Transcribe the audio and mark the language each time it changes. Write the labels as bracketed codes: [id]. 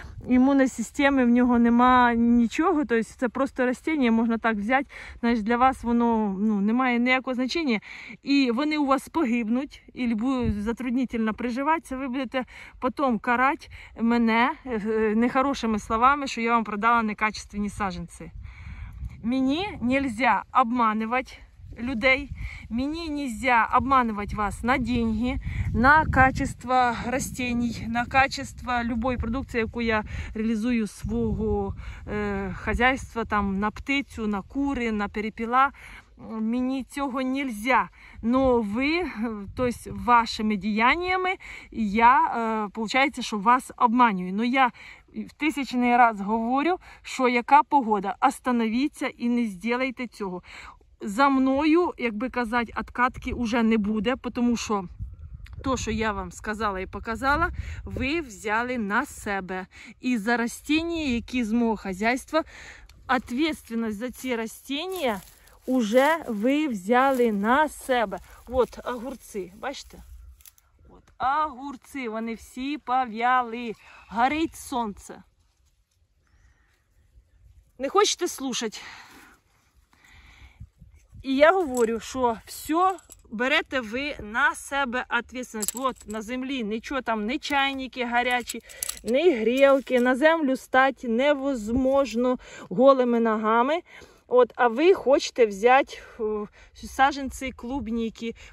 [uk] імунної системи, в нього нема нічого, тобто це просто рослини, можна так взяти, значить, для вас воно, ну, не має ніякого значення, і вони у вас погибнуть, і буде затруднительно приживатися, ви будете потім карати мене нехорошими словами, що я вам продала некачественні саженці. Мені нельзя обманувати людей. [ru] Мені нельзя обманывать вас на деньги, на качество растений, на качество любой продукции, [uk] яку я реализую свого хозяйства, там, на птицю, на кури, на перепіла. Мені цього [ru] нельзя. Но вы, то есть вашими деяниями, я, получается, что вас обманываю. Но я в тысячный раз говорю, что яка погода, остановіться и не сделайте цього. [uk] За мною, як би казати, откатки уже не буде, тому що то, що я вам сказала і показала, ви взяли на себе. І за растіння, які з мого хазяйства, відповідальність за ці растіння уже ви взяли на себе. От огурці, бачите? От огурці, вони всі пов'яли. Горить сонце. Не хочете слушати? І я говорю, що все берете ви на себе відповідальність. От на землі нічого там, не чайники гарячі, не грілки. На землю стати невозможно голими ногами. От, а ви хочете взяти саженці клубніки.